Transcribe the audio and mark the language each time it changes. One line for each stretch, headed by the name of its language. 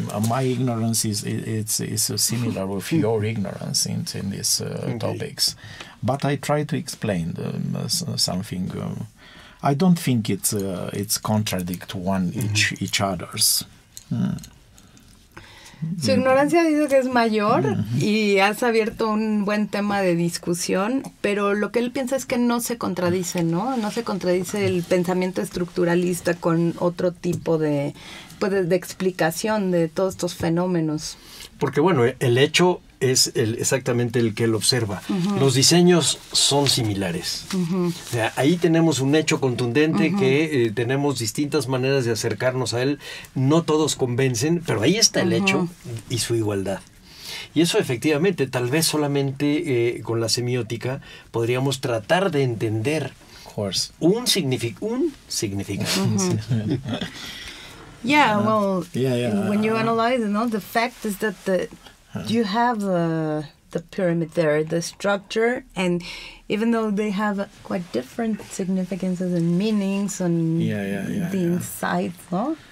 English: My ignorance is similar with your ignorance in these topics. But I try to explain something. I don't think it's contradict one each other's.
Spanish: Su ignorancia dice que es mayor y has abierto un buen tema de discusión, pero lo que él piensa es que no se contradice, ¿no? No se contradice el pensamiento estructuralista con otro tipo de explicación de todos estos fenómenos. Porque, bueno, el hecho es exactamente el que lo observa. Uh-huh. Los diseños son similares. Uh-huh. O sea, ahí tenemos un hecho contundente, uh-huh, que tenemos distintas maneras de acercarnos a él. No todos convencen, pero ahí está el, uh-huh, hecho y su igualdad. Y eso efectivamente, tal vez solamente con la semiótica podríamos tratar de entender un significado. Uh-huh.
English: Yeah, well, yeah, yeah, when you analyze, you know, the fact is that you have the pyramid there, the structure, and even though they have quite different significances and meanings on the inside, no?